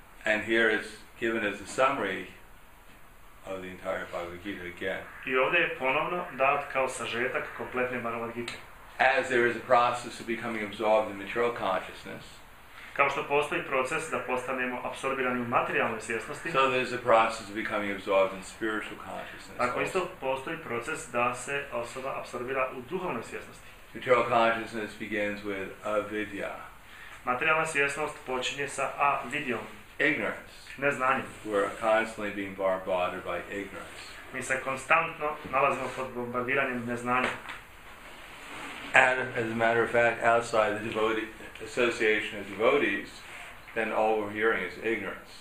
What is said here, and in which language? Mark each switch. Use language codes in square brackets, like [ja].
[en] And here it's given as a summary of the entire Bhagavad Gita again. [bs] I ovdje je ponovno dat kao sažetak kompletne Bhagavad Gita. [en] As there is a process of becoming absorbed in material consciousness, [bs] kao što postoji proces da postanemo apsorbirani u materijalnoj svjesnosti, [en] so there is a process of becoming absorbed in spiritual consciousness. [bs] Tako isto postoji proces da se osoba apsorbira u duhovnoj svjesnosti. [en] Material consciousness begins with avidya. [bs] Materijalna svjesnost počinje sa avidjom. [en] Ignorance. [bs] Neznanjem. [en] We're constantly being bombarded by ignorance. [bs] Mi se konstantno nalazimo pod bombardiranjem neznanja. [en] And as a matter of fact, outside the devotee association of devotees, then all we're hearing is ignorance.